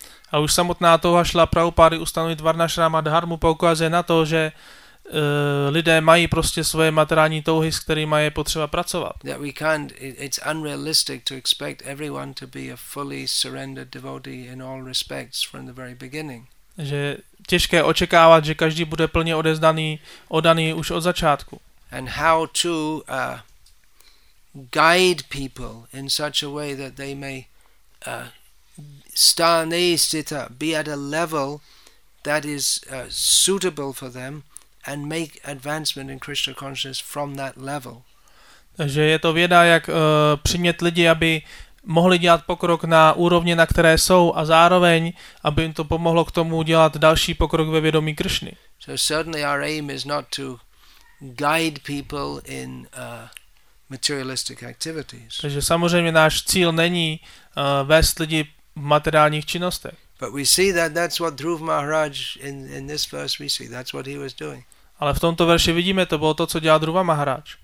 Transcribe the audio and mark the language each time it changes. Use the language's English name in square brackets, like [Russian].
[Czech] A už samotná touha Srila Prabhupady ustanovit Varnashrama dharmu poukazuje na to, že lidé mají prostě svoje materiální touhy, s kterými je potřeba pracovat. [English] That we can't, it's unrealistic to expect everyone to be a fully surrendered devotee in all respects from the very beginning. [Czech] Že těžké očekávat, že každý bude plně odezdaný, odaný už od začátku. [English] And how to guide people in such a way that they may sthanesthita be at a level that is suitable for them and make advancement in Krishna consciousness from that level. [Czech] Takže je to věda, jak přimět lidi, aby mohli dělat pokrok na úrovni, na které jsou, a zároveň, aby jim to pomohlo k tomu dělat další pokrok ve vědomí Kršny. [English] So certainly our aim is not to guide people in materialistic activities. [Czech] Takže samozřejmě náš cíl není vést lidi v materiálních činnostech. [English] But we see that that's what Dhruv Maharaj in this verse we see, that's what he was doing. [Czech] Ale v tomto verši vidíme, to bylo to, co dělal Dhruva Maharaj.